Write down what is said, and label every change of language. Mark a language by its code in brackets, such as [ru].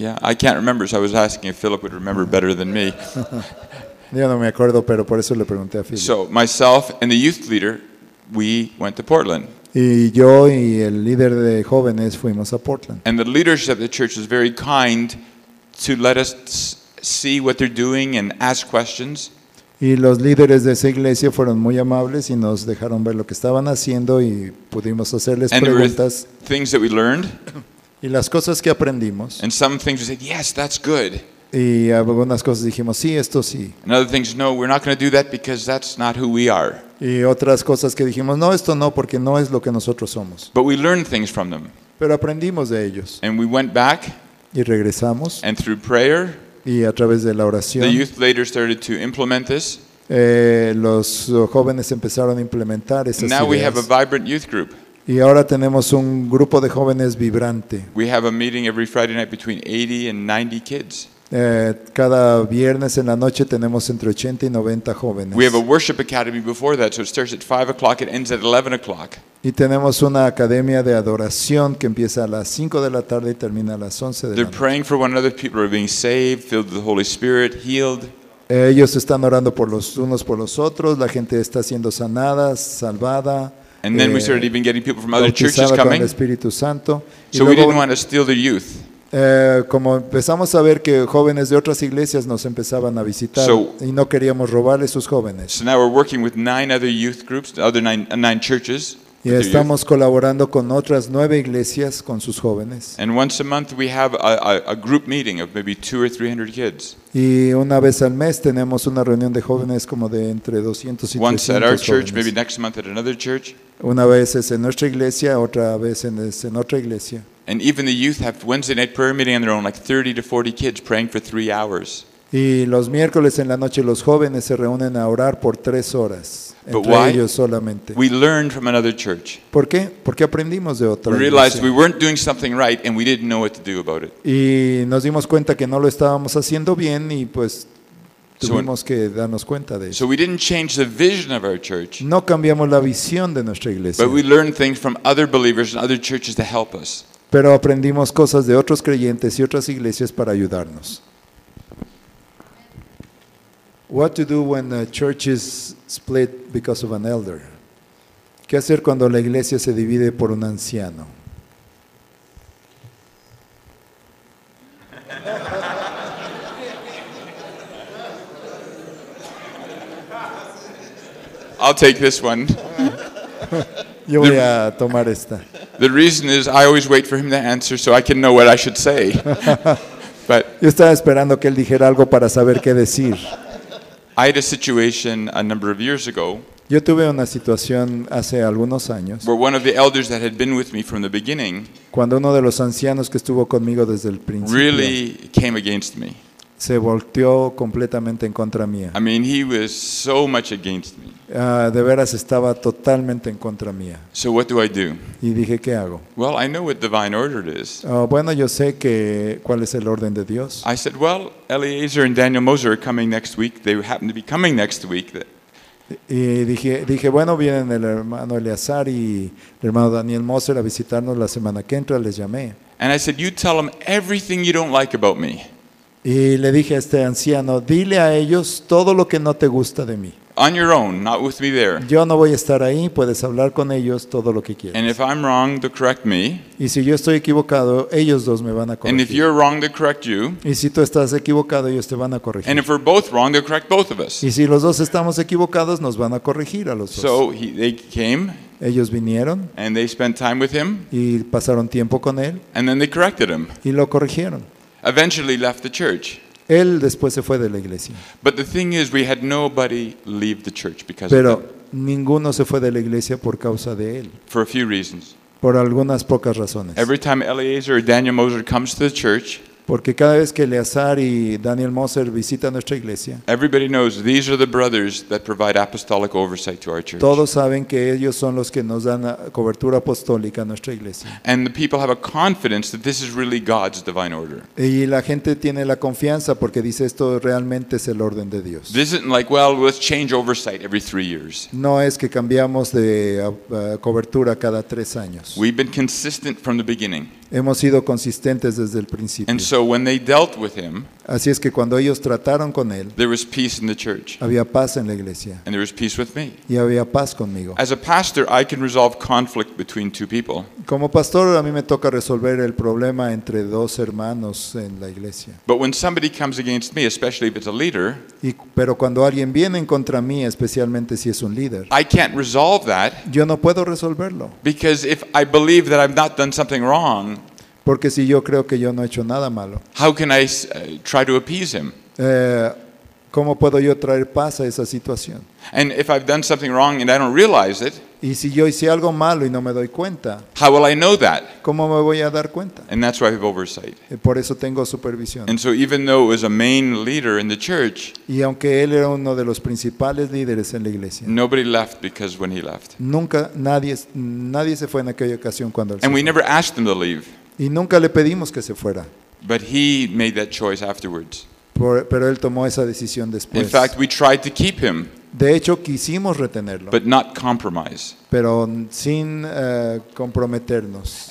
[en] I can't remember, so I was asking if Philip would remember better than me. [es] Yo no me acuerdo, pero por eso le pregunté a Philip. [en] So myself and the youth leader, we went to Portland. [es] Y yo y el líder de jóvenes fuimos a Portland. [en] And the leadership of the church was very kind to let us see what they're doing and ask questions. [es] Y los líderes de esa iglesia fueron muy amables y nos dejaron ver lo que estaban haciendo y pudimos hacerles [en] and [es] preguntas. [en] Things that we learned. [es] Y las cosas que aprendimos. [en] And some things we said, yes, that's good. [es] Y algunas cosas dijimos, sí, esto sí. [en] And other things, no, we're not going to do that because that's not who we are. [es] Y otras cosas que dijimos, no, esto no, porque no es lo que nosotros somos. [en] But we learned things from them. [es] Pero aprendimos de ellos. [en] And we went back. [es] Y regresamos. [en] And through prayer. [es] Y a través de la oración, [en] the youth later started to implement this. [es] Los jóvenes empezaron a implementar esas [en] now [es] ideas. [en] We have a vibrant youth group. [es] Y ahora tenemos un grupo de jóvenes vibrante. [en] We have a meeting every Friday night between 80 and 90 kids. [es] Cada viernes en la noche tenemos entre 80 y 90 jóvenes. [en] We have a worship academy before that, so it starts at 5 o'clock, it ends at 11 o'clock. [es] Y tenemos una academia de adoración que empieza a las 5 de la tarde y termina a las 11 de la noche. [en] They're praying for one another, people are being saved, filled with the Holy Spirit, healed. [es] Ellos están orando por los unos por los otros, la gente está siendo sanada, salvada. [en] And then we started even getting people from other churches coming. [es] Con el Espíritu Santo. [en] So we didn't want to steal their youth. [es] Como empezamos a ver que jóvenes de otras iglesias nos empezaban a visitar y no queríamos robarle sus jóvenes. [en] So now we're working with nine other youth groups, other nine churches. [es] Y estamos colaborando con otras nueve iglesias con sus jóvenes. [en] And once a month we have a group meeting of maybe 200 or 300 kids. [es] Y una vez al mes tenemos una reunión de jóvenes como de entre 200 y 300 jóvenes. [en] Once at our church, maybe next month at another church. [es] Una vez es en nuestra iglesia, otra vez es en otra iglesia. [en] And even the youth have Wednesday night prayer meeting on their own, like 30 to 40 kids praying for 3 hours. [es] Y los miércoles en la noche los jóvenes se reúnen a orar por 3 horas, entre ellos solamente. [en] We learned from another church. [es] ¿Por qué? Porque aprendimos de otra. [en] We realized we weren't doing something right and we didn't know what to do about it. [es] Y nos dimos cuenta que no lo estábamos haciendo bien y pues tuvimos que darnos cuenta de eso. [en] So we didn't change the vision of our church. [es] No cambiamos la visión de nuestra iglesia. [en] But we learned things from other believers and other churches to help us. [es] Pero aprendimos cosas de otros creyentes y otras iglesias para ayudarnos. [en] What to do when a church is split because of an elder? [es] ¿Qué hacer cuando la iglesia se divide por un anciano? [en] I'll take this one. [es] Yo voy a tomar esta. [en] The reason is I always wait for him to answer so I can know what I should say. But [es] yo estaba esperando que él dijera algo para saber qué decir. [en] I had a situation a number of years ago. [es] Yo tuve una situación hace algunos años. [en] Where one of the elders that had been with me from the beginning. [es] Cuando uno de los ancianos que estuvo conmigo desde el principio. [en] Really came against me. [es] Se volteó completamente en contra mía. [en] I mean, he was so much against me. [es] De veras estaba totalmente en contra mía. [en] So what do I do? [es] Y dije, ¿qué hago? [en] Well, I know what divine order is. [es] Bueno, yo sé que cuál es el orden de Dios. [en] I said, well, Eliezer and Daniel Moser are coming next week. They happen to be coming next week. [es] Y dije, bueno, vienen el hermano Eleazar y el hermano Daniel Moser a visitarnos la semana que entra. Les llamé. [en] And I said, you tell them everything you don't like about me. [es] Y le dije a este anciano, dile a ellos todo lo que no te gusta de mí. [en] On your own, not with me there. [es] Yo no voy a estar ahí, puedes hablar con ellos todo lo que quieras. [en] And if I'm wrong, they'll correct me. [es] Y si yo estoy equivocado, ellos dos me van a corregir. [en] And if you're wrong, they'll correct you. [es] Y si tú estás equivocado, ellos te van a corregir. [en] And if we're both wrong, they'll correct both of us. [es] Y si los dos estamos equivocados, nos van a corregir a los dos. [en] So they came. [es] Ellos vinieron. [en] And they spent time with him. [es] Y pasaron tiempo con él. [en] And then they corrected him. [es] Y lo corrigieron. [en] Eventually left the church. [es] Él después se fue de la iglesia. [en] But the thing is, we had nobody leave the church because [es] Pero [en] of him. [es] Pero ninguno se fue de la iglesia por causa de él. [en] For a few reasons. [es] Por algunas pocas razones. [en] Every time Eliezer or Daniel Moser comes to the church, [es] porque cada vez que Eleazar y Daniel Moser visitan nuestra iglesia, [en] everybody knows these are the brothers that provide apostolic oversight to our church. [es] Todos saben que ellos son los que nos dan cobertura apostólica a nuestra iglesia. [en] And the people have a confidence that this is really God's divine order. [es] Y la gente tiene la confianza porque dice esto realmente es el orden de Dios. [en] This isn't like, well, let's change oversight every 3 years. [es] No es que cambiamos de cobertura cada 3 años. [en] We've been consistent from the beginning. [es] Hemos sido consistentes desde el principio. [en] And so when they dealt with him, [es] así es que cuando ellos trataron con él, [en] there was peace in the church. [es] Había paz en la iglesia. [en] And there was peace with me. [es] Y había paz conmigo. [en] As a pastor, I can resolve conflict between two people. [es] Como pastor, a mí me toca resolver el problema entre dos hermanos en la iglesia. [en] But when somebody comes against me, especially if it's a leader, [es] pero cuando alguien viene en contra mí, especialmente si es un líder, [en] I can't resolve that. [es] Yo no puedo resolverlo. [en] Because if I believe that I've not done something wrong, [es] porque si yo creo que yo no he hecho nada malo, [en] how can I try to appease him? [es] ¿Cómo puedo yo traer paz a esa situación? [en] And if I've done something wrong and I don't realize it, [es] y si yo hice algo malo y no me doy cuenta, [en] how will I know that? [es] ¿Cómo me voy a dar cuenta? [en] And that's why I have oversight. [es] Por eso tengo supervisión. [en] And so even though it was a main leader in the church, [es] y aunque él era uno de los principales líderes en la iglesia, [en] nobody left because when he left. [es] Nunca nadie se fue en aquella ocasión cuando él se [en] fue. And we never asked him to leave. [es] Y nunca le pedimos que se fuera. [en] But he made that choice afterwards. [es] Pero él tomó esa decisión después. [en] In fact, we tried to keep him. [es] De hecho, quisimos retenerlo. [en] But not compromise. [es] Pero sin comprometernos.